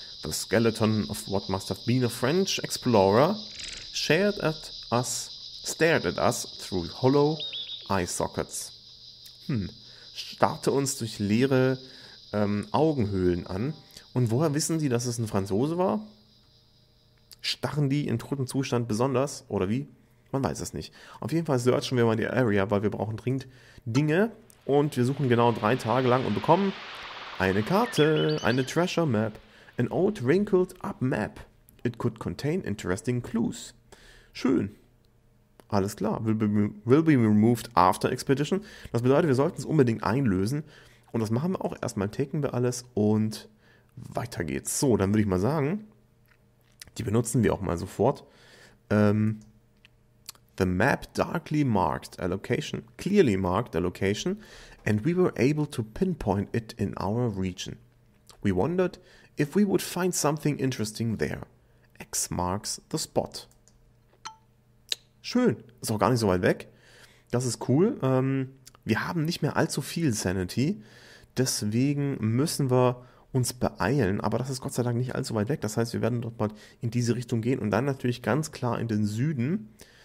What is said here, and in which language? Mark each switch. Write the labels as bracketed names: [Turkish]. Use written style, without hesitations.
[English] The skeleton of what must have been a French explorer stared at us through hollow eye sockets. [German] Starrte uns durch leere Augenhöhlen an. Und woher wissen Sie, dass es ein Franzose war? Starren die in totem Zustand besonders? Oder wie? Man weiß es nicht. Auf jeden Fall searchen wir mal die Area, weil wir brauchen dringend Dinge. Und wir suchen genau 3 Tage lang und bekommen eine Karte, eine Treasure Map. [English] An old wrinkled up map. It could contain interesting clues. [German] Schön. Alles klar. [English] Will be removed after expedition. [German] Das bedeutet, wir sollten es unbedingt einlösen. Und das machen wir auch. Erstmal taken wir alles und weiter geht's. So, dann würde ich mal sagen, die benutzen wir auch mal sofort. [English] The map darkly marked a location, clearly marked a location, and we were able to pinpoint it in our region. We wondered if we would find something interesting there. X marks the spot. [German] Schön, ist auch gar nicht so weit weg. Das ist cool. Wir haben nicht mehr allzu viel Sanity, deswegen müssen wir uns beeilen, aber das ist Gott sei Dank nicht allzu weit weg. Das heißt, wir werden dort mal in diese Richtung gehen und dann natürlich ganz klar in den Süden.